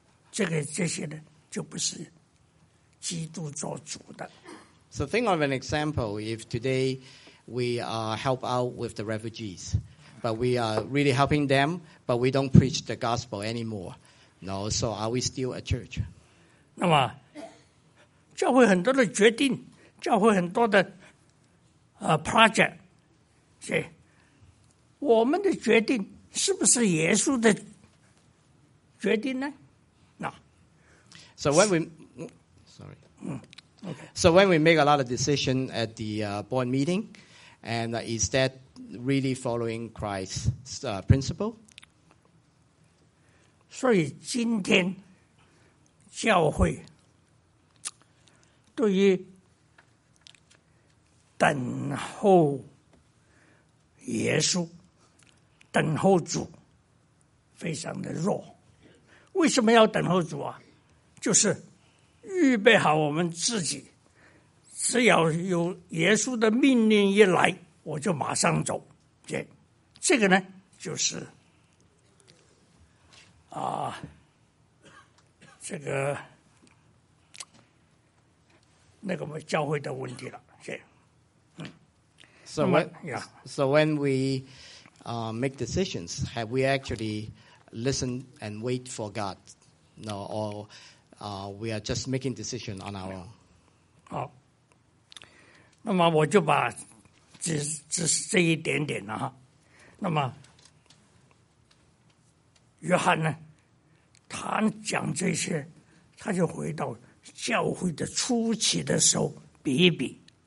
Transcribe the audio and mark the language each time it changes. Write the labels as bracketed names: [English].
[Chinese] 这些呢，就不是基督做主的。 [English] So think of an example. If today we help out with the refugees, but we are really helping them, but we don't preach the gospel anymore. No, so are we still a church? [Chinese] 那么教会很多的决定，教会很多的project， 是我们的决定，是不是耶稣的决定呢？ [English] No. So when we So when we make a lot of decision at the board meeting, and is that really following Christ's principle? [Chinese] 所以今天教会对于等候耶稣、等候主非常的弱。为什么要等候主啊？就是预备好我们自己，只要有耶稣的命令一来，我就马上走。这个呢，就是那个教会的问题了，是。 [English] So when we make decisions, have we actually listened and wait for God? No, or we are just making decision on our own. [Chinese] 好，那么我就把只是这一点点了哈。那么约翰呢？他讲这些，他就回到教会的初期的时候比一比。